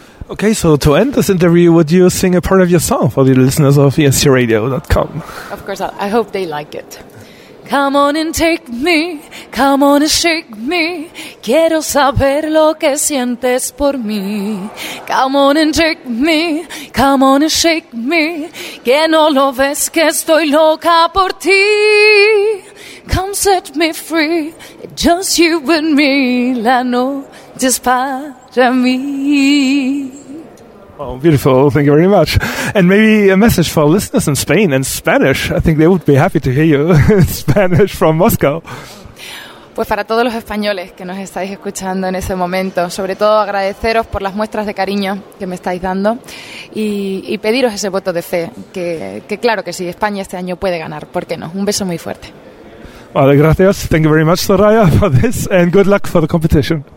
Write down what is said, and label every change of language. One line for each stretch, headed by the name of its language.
English: Okay, so to end this interview, would you sing a part of your song for the listeners of ESCRadio.com? Of course, I hope they like it. Come on and take me, come on and shake me.
Spanish: Quiero saber lo que sientes por mí.
English: Come on and take me, come on and shake me.
Spanish: Que no lo ves que estoy loca por ti.
English: Come set me free, just you and me.
Spanish: La noche es para mí.
English: Oh, beautiful. Thank you very much. And maybe a message for listeners in Spain and Spanish. I think they would be happy to hear you in Spanish from Moscow.
Spanish: Pues para todos los españoles que nos estáis escuchando en ese momento, sobre todo agradeceros por las muestras de cariño que me estáis dando y pediros ese voto de fe, que claro que sí, España este año puede ganar, ¿por qué no? Un beso muy fuerte. Vale, gracias.
English: Thank you very much, Soraya, for this and good luck for the competition.